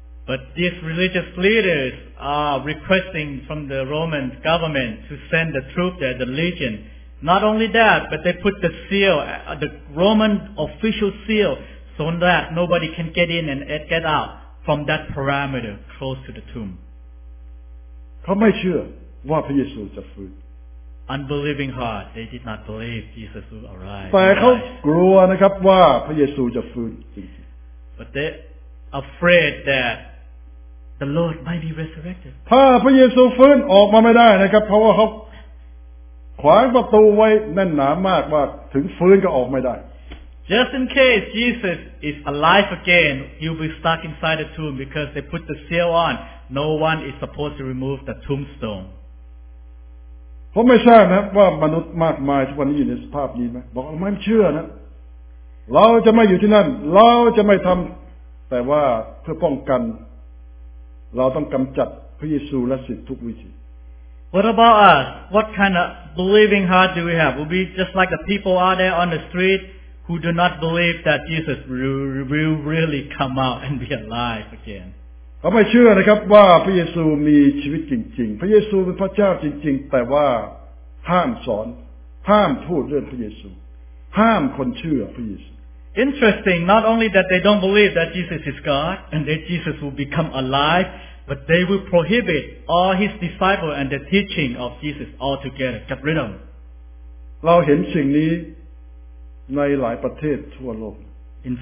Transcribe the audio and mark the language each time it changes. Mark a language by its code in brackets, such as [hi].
[en] But these religious leaders are requesting from the Roman government to send the troops there, the legion. Not only that, but they put the seal, the Roman official seal, so that nobody can get in and get out from that perimeter close to the tomb. [th] เขาไม่เชื่อว่าพระเยซูจะฟื้น [en] Unbelieving heart, they did not believe Jesus would arise. [th] แต่เขากลัวนะครับว่าพระเยซูจะฟื้นจริง [en] But they afraid that the Lord might be resurrected. [th] ถ้าพระเยซูฟื้นออกมาไม่ได้นะครับเพราะว่าเขาขวางประตูไว้แน่นหนามากว่าถึงฟื้นก็ออกไม่ได้ [en] Just in case Jesus is alive again, he'll be stuck inside the tomb because they put the seal on. No one is supposed to remove the tombstone. [th] ผมไม่ทราบนะว่ามนุษย์มากมายทุกวันนี้อยู่ในสภาพนี้ไหมบอกเราไม่เชื่อนะเราจะไม่อยู่ที่นั่นเราจะไม่ทำแต่ว่าเพื่อป้องกันเราต้องกำจัดพระเยซูและสิทธิ์ทุกวิธี [en] What about us? What kind of believing heart do we have? Will be just like the people out there on the street who do not believe that Jesus will really come out and be alive again. [th] เขาไม่เชื่อนะครับว่าพระเยซูมีชีวิตจริงๆพระเยซูเป็นพระเจ้าจริงๆแต่ว่าห้ามสอนห้ามพูดเรื่องพระเยซูห้ามคนเชื่อพระเยซู [en] Interesting. Not only that they don't believe that Jesus is God and that Jesus will become alive. But they will prohibit all his disciples and the teaching of Jesus altogether. Get rid of them. In